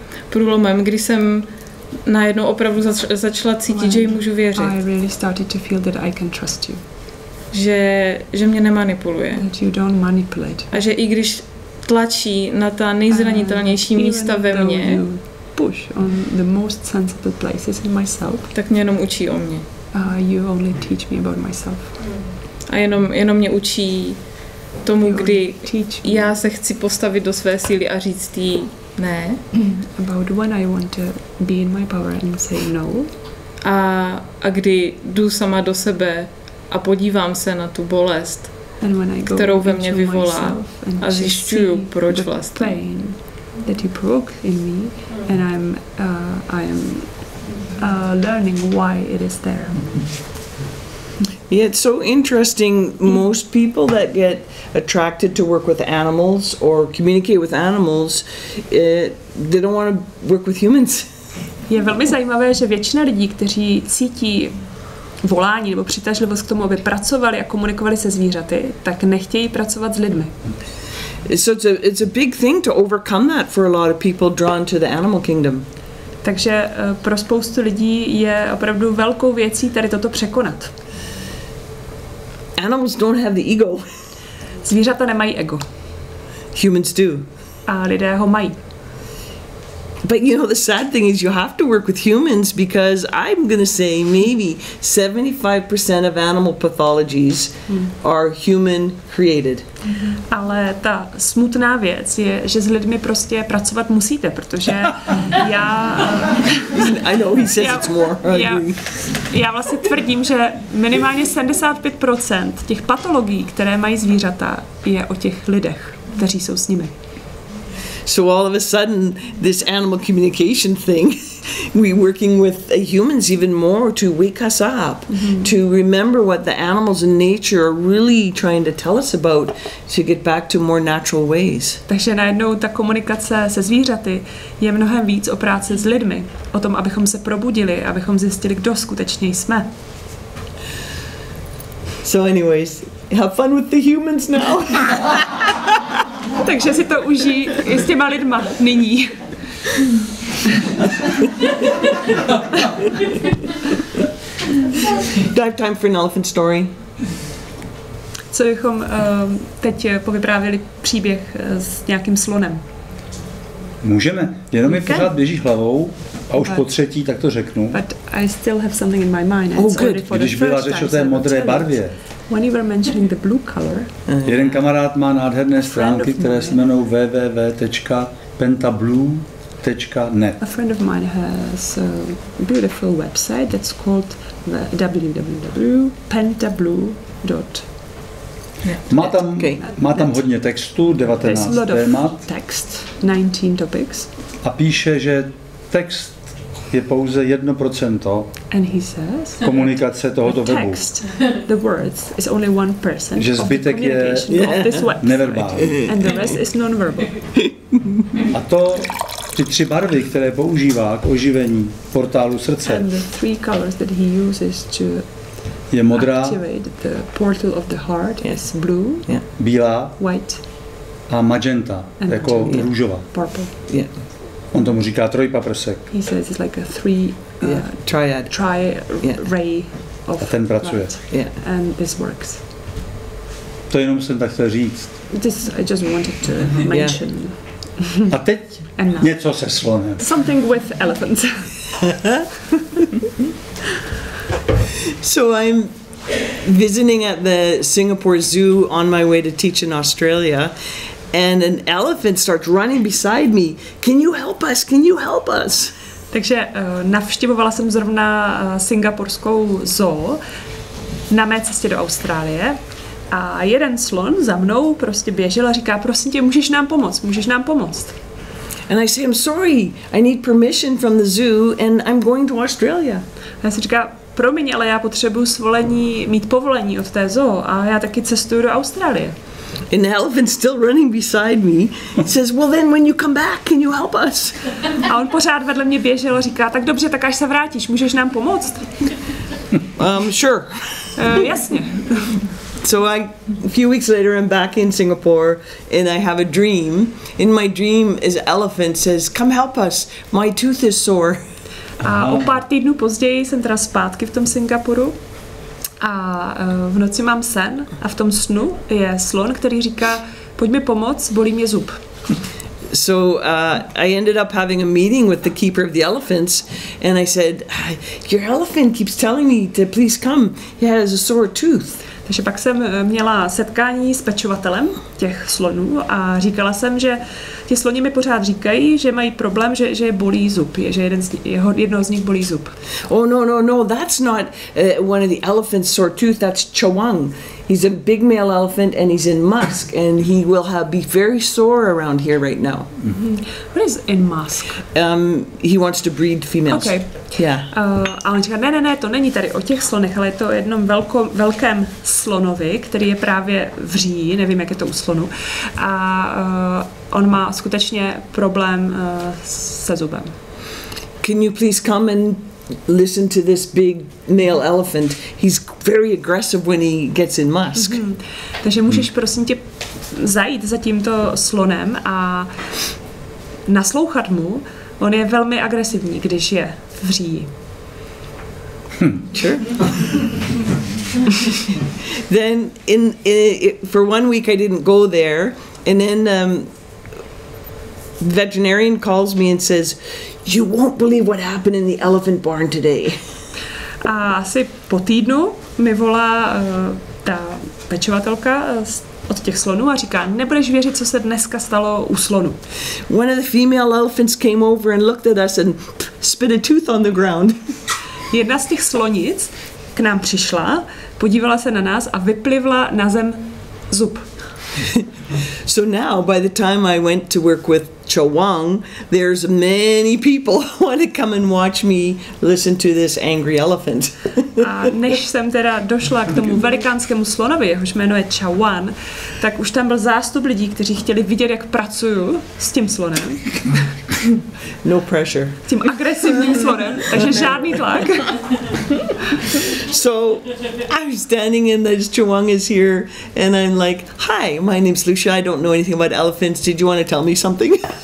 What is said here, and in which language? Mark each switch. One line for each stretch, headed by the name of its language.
Czech: Průlomem, kdy jsem najednou opravdu začala cítit, že jí můžu věřit.
English: I really started to feel that I can trust you.
Czech: Že mě nemanipuluje.
English: That you don't manipulate.
Czech: A že i když tlačí na ta nejzranitelnější místa ve mně,
English: push on the most sensitive places in myself,
Czech: tak mě jenom učí o mně.
English: You only teach me about myself.
Czech: A jenom mě učí tomu, kdy já se chci postavit do své síly a říct jí ne.
English: About when I want to be in my power and say no.
Czech: A kdy jdu sama do sebe a podívám se na tu bolest, kterou ve mně vyvolá a zjišťuju, proč vlastně.
English: That you provoke in me and I am learning why it is there. Yeah, it's so interesting. Most people that get attracted to work with animals or communicate with animals, they don't want to work with humans.
Czech: Je velmi zajímavé, že většina lidí, kteří cítí volání nebo přitažlivost k tomu, aby pracovali a komunikovali se zvířaty, tak nechtějí pracovat s lidmi.
English: So it's a big thing to overcome that for a lot of people drawn to the animal kingdom.
Czech: Takže pro spoustu lidí je opravdu velkou věcí tady toto překonat.
English: Animals don't have the ego.
Czech: Zvířata nemají ego.
English: Humans do.
Czech: A lidé ho mají.
English: But you know, the sad thing is you have to work with humans because I'm going to say maybe 75% of animal pathologies are human created.
Czech: Ale ta smutná věc je, že s lidmi prostě pracovat musíte, protože já...
English: I know, he says it's more.
Czech: Já vlastně tvrdím, že minimálně 75% těch patologií, které mají zvířata, je o těch lidech, kteří jsou s nimi.
English: So all of a sudden, this animal communication thing, we working with humans even more to wake us up, to remember what the animals in nature are really trying to tell us about, to get back to more natural ways.
Czech: Takže najednou ta komunikace se zvířaty je mnohem víc o práci s lidmi, o tom, abychom se probudili, abychom zjistili, kdo skutečně jsme.
English: So anyways, have fun with the humans now.
Czech: Takže si to užij i s těma lidma nyní.
English: Do I have time for an elephant story?
Czech: Co bychom teď povyprávili příběh s nějakým slonem? Můžeme, jenom mi pořád běží hlavou a už po třetí tak to řeknu.
English: But I still have something in my mind. Oh, good.
Czech: Když byla řeč o té modré barvě.
English: When you were mentioning the blue color.
Czech: Jeden kamarád má nádherné stránky, které se jmenují www.pentablue.net.
English: A friend of mine has a beautiful website that's called www.pentablue.net.
Czech: Má tam, hodně textu, 19 témat.
English: Text, 19 topics.
Czech: A píše, že text je pouze 1%
English: And he says,
Czech: komunikace tohoto
English: the text,
Czech: webu.
English: The words is only 1%
Czech: že zbytek
English: of the communication
Czech: je
English: of this website,
Czech: neverbální.
English: And the rest is non-verbal.
Czech: A to ty tři barvy, které používá k oživení portálu srdce.
English: And the three colors that he uses to
Czech: je modrá,
English: activate the portal of the heart is blue,
Czech: yeah. Bílá,
English: white,
Czech: a magenta,
English: and
Czech: jako
English: magenta,
Czech: růžová.
English: Yeah. Purple. Yeah.
Czech: On tomu říká trojpaprsek.
English: He says it's like a three triad. Ray of
Czech: a ten pracuje.
English: Light. Yeah. And this works.
Czech: To jenom jsem tak chtěl říct.
English: This is, I just wanted to mention.
Czech: A teď něco se slonem.
English: Something with elephants. So I'm visiting at the Singapore Zoo on my way to teach in Australia, and an elephant starts running beside me. Can you help us? Can you help us?
Czech: Takže navštěvovala jsem zrovna singapurskou zoo na mé cestě do Austrálie. A jeden slon za mnou prostě běžel a říká, prosím tě, můžeš nám pomoct, můžeš nám pomoct.
English: And I say, I'm sorry, I need permission from the zoo and I'm going to Australia.
Czech: A já si říká, promiň, ale já potřebuji svolení, mít povolení od té zoo a já taky cestuju do Austrálie.
English: And the elephant still running beside me. He says, well then when you come back, can you help us?
Czech: A on pořád vedle mě běžel a říká, tak dobře, tak až se vrátíš, můžeš nám pomoct?
English: Sure.
Czech: Jasně.
English: So a few weeks later I'm back in Singapore and I have a dream. In my dream is elephant says come help us. My tooth is sore.
Czech: A o pár týdnů později jsem teda zpátky v tom Singapuru. A v noci mám sen a v tom snu je slon, který říká pojď mi pomoct, bolí mě zub.
English: So I ended up having a meeting with the keeper of the elephants and I said your elephant keeps telling me to please come. He has a sore tooth.
Czech: Takže pak jsem měla setkání s pečovatelem těch slonů a říkala jsem, že ti sloni mi pořád říkají, že mají problém, že je bolí zub, že jedno z nich bolí zub.
English: Oh no no no, that's not one of the elephants sore tooth, that's Chawang. He's a big male elephant and he's in musk and he will have be very sore around here right now. What is in musk? He wants to breed females. Okay. Yeah.
Czech: A on říká, ne, to není tady o těch slonech, ale je to o jednom velkém slonovi, který je právě v říji, nevím, jak je to u slonu. A on má skutečně problém se zubem.
English: Can you please come and listen to this big male elephant. He's very aggressive when he gets in musk. Mm-hmm.
Czech: Takže můžeš prosím tě zajít za tímto slonem a naslouchat mu. On je velmi agresivní, když je v říji.
English: Sure. Then for 1 week I didn't go there and then veterinarian calls me and says you won't believe what happened in the elephant barn today.
Czech: A asi po týdnu mi volá ta pečovatelka od těch slonů a říká, nebudeš věřit, co se dneska stalo u slonu.
English: One of the female elephants came over and looked at us and spit a tooth on the ground.
Czech: Jedna z těch slonic k nám přišla, podívala se na nás a vyplivla na zem zub.
English: So now, by the time I went to work with Chawang, there's many people who want to come and watch me listen to this angry elephant.
Czech: A než jsem teda došla k tomu velikánskému slonovi, jehož jméno je Chawang, tak už tam byl zástup lidí, kteří chtěli vidět, jak pracuju s tím slonem.
English: No pressure.
Czech: S tím agresivním slonem, takže žádný tlak.
English: So I'm standing in this Chawang is here and I'm like, hi, my name's Lucia, I don't know anything about elephants, did you want to tell me something?